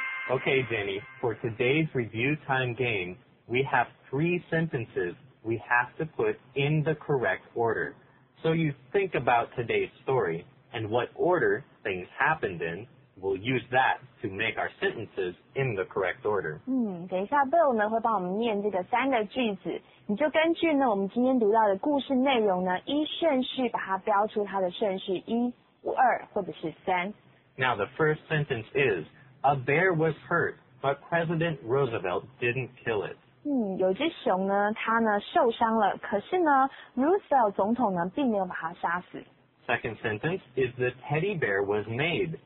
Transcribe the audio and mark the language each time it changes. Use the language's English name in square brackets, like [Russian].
[English] Okay, Jenny, for today's review time game, we have three sentences. We have to put in the correct order. So you think about today's story and what order things happened in. We'll use that to make our sentences in the correct order. [Chinese] 等一下 Bill 呢会帮我们念这个三个句子。你就根据呢我们今天读到的故事内容呢依顺序把它标出它的顺序一、二或者是三。 [English] Now the first sentence is, a bear was hurt, but President Roosevelt didn't kill it. [Chinese] 有只熊呢它呢受伤了可是呢 Roosevelt 总统呢并没有把它杀死。 [English] Second sentence is the teddy bear was made.